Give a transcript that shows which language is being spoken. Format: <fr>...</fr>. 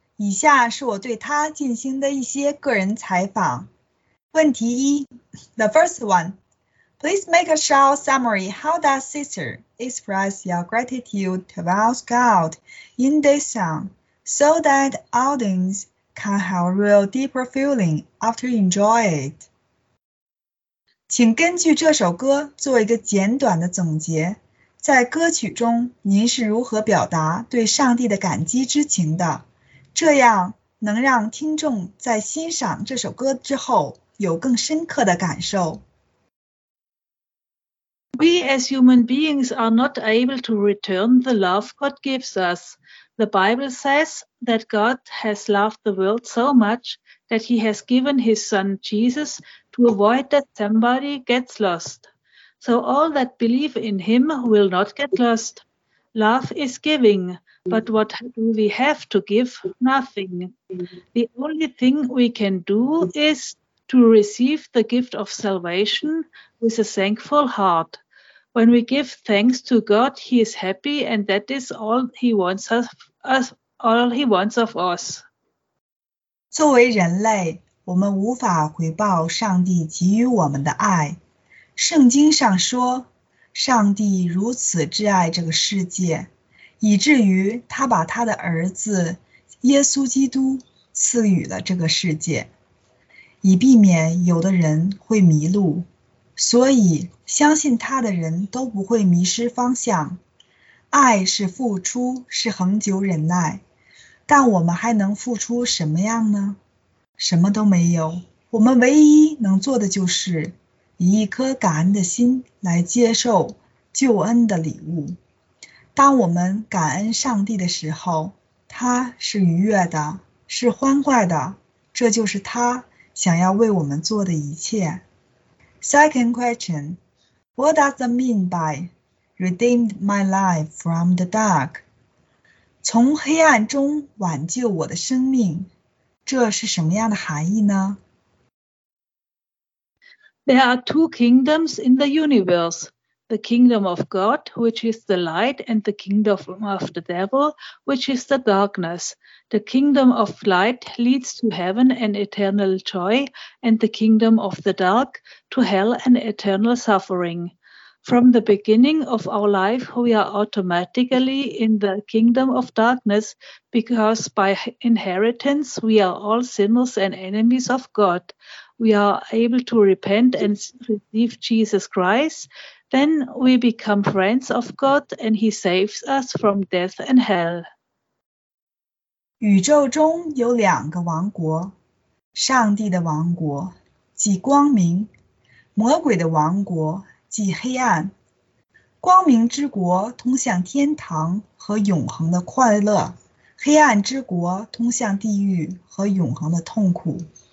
<zh>以下是我对她进行的一些个人采访。问题一，</zh> <en>The first one, Please make a short summary. How does sister express your gratitude towards God in this song so that audience can have real deeper feeling after enjoy it?</en> <zh>请根据这首歌做一个简短的总结，在歌曲中您是如何表达对上帝的感激之情的，这样能让听众在欣赏这首歌之后有更深刻的感受。</zh> <en>We as human beings are not able to return the love God gives us. The Bible says that God has loved the world so muchThat he has given his son Jesus to avoid that somebody gets lost. So all that believe in him will not get lost. Love is giving, but what do we have to give? Nothing. The only thing we can do is to receive the gift of salvation with a thankful heart. When we give thanks to God, he is happy, and that is all he wants of us.</en> <zh>作为人类，我们无法回报上帝给予我们的爱。圣经上说，上帝如此挚爱这个世界，以至于他把他的儿子耶稣基督赐予了这个世界，以避免有的人会迷路。所以，相信他的人都不会迷失方向。爱是付出，是恒久忍耐。但我们还能付出什么样呢？什么都没有。我们唯一能做的就是以一颗感恩的心来接受救恩的礼物。当我们感恩上帝的时候，他是愉悦的，是欢快的，这就是他想要为我们做的一切。</zh> <en>Second question, What does that mean by redeemed my life from the dark?</en> <zh>从黑暗中挽救我的生命，这是什么样的含义呢？</zh> <en>There are two kingdoms in the universe. The kingdom of God, which is the light, and the kingdom of the devil, which is the darkness. The kingdom of light leads to heaven and eternal joy, and the kingdom of the dark to hell and eternal suffering. From the beginning of our life, we are automatically in the kingdom of darkness because by inheritance, we are all sinners and enemies of God. We are able to repent and receive Jesus Christ. Then we become friends of God and he saves us from death and hell.</en> <zh>宇宙中有两个王国，上帝的王国，即光明，魔鬼的王国即黑暗，光明之国通向天堂和永恒的快乐，黑暗之国通向地狱和永恒的痛苦。</zh>